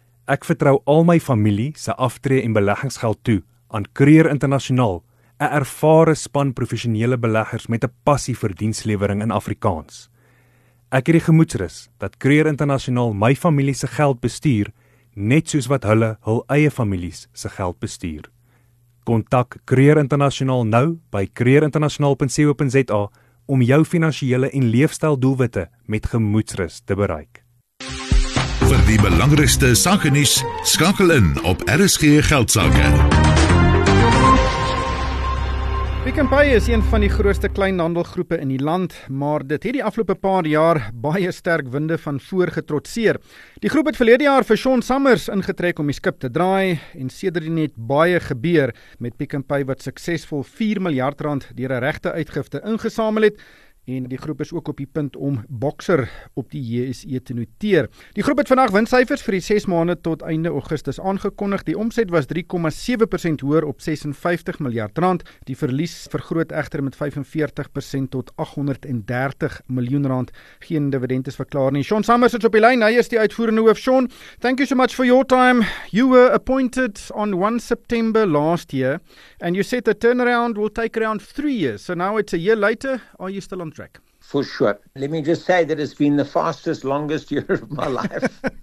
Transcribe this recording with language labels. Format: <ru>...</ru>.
<af>Ek vertrou al my familie se aftree en beleggingsgeld toe aan Kreur Internasionaal, 'n ervare span professionele beleggers met 'n passie vir dienslewering in Afrikaans. Ek het die gemoedsrus dat Kreur Internasionaal my familie se geld bestuur, net soos wat hulle hul eie families se geld bestuur. Kontak Kreur Internasionaal nou by kreurinternasionaal.co.za om jou finansiële en leefstyl doelwitte met gemoedsrus te bereik. Vir die belangrikste sake nuus, skakel in op RSG Geldsaake. Pick n Pay is een van die grootste kleinhandelgroepe in die land, maar dit het die afgelope paar jaar baie sterk winde van voor getrotseer. Die groep het verlede jaar vir Shaun Summers ingetrek om die skip te draai en sedertdien het baie gebeur met Pick n Pay wat suksesvol 4 miljard rand deur 'n regte uitgifte ingesamel het. En die groep is ook op die punt om Boxer op die JSE te noteer. Die groep het vandag winssyfers vir die 6 maande tot einde Augustus aangekondig. Die omset was 3,7% hoër op 56 miljard rand. Die verlies vergroot egter met 45% tot 830 miljoen rand. Geen dividend is verklaar nie. Shaun Summers is op die lyn. Hy is die uitvoerende hoof.</af> <en>Shaun, thank you so much for your time. You were appointed on 1 September last year and you said the turnaround will take around 3 years. So now it's a year later. Are you still on track? For sure. Let me just say that it's been the fastest, longest year of my life.</en>